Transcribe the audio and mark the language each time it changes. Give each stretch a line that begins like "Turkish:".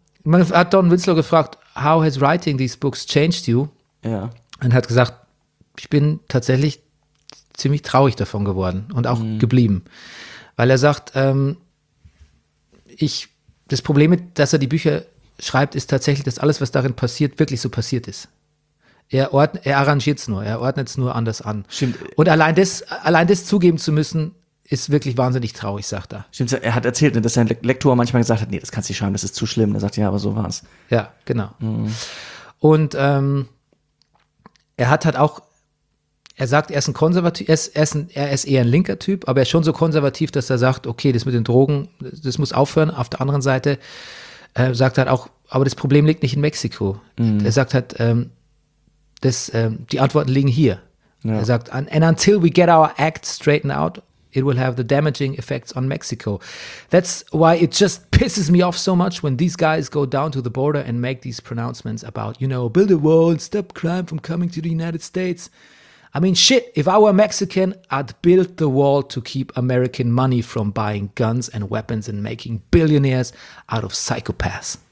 German: Man hat Don Winslow gefragt,
English: how has writing these books changed you?
German: Ja. Und hat gesagt, ich bin tatsächlich ziemlich traurig davon geworden und auch geblieben. Weil er sagt, das Problem, dass er die Bücher schreibt, ist tatsächlich, dass alles, was darin passiert, wirklich so passiert ist. Er arrangiert es nur, er ordnet es nur anders an. Stimmt. Und allein das zugeben zu müssen, ist wirklich wahnsinnig traurig, sagt er. Stimmt, er hat erzählt, dass sein Lektor manchmal gesagt hat, nee, das kannst du nicht schreiben, das ist zu schlimm. Er sagt, ja, aber so war es. Ja, genau. Mhm. Und er hat halt auch, er sagt, er ist ein Konservativ, er ist eher ein linker Typ, aber er ist schon so konservativ, dass er sagt, okay, das mit den Drogen, das muss aufhören. Auf der anderen Seite sagt er halt auch, aber das Problem liegt nicht in Mexiko. Mhm. Er sagt halt, die Antworten liegen hier. Ja. Er sagt,
English: and until we get our act straightened out, it will have the damaging effects on Mexico. That's why it just pisses me off so much when these guys go down to the border and make these pronouncements about, you know, build a wall, stop crime from coming to the United States. I mean, shit, if I were Mexican, I'd build the wall to keep American money from buying guns and weapons and making billionaires out of psychopaths.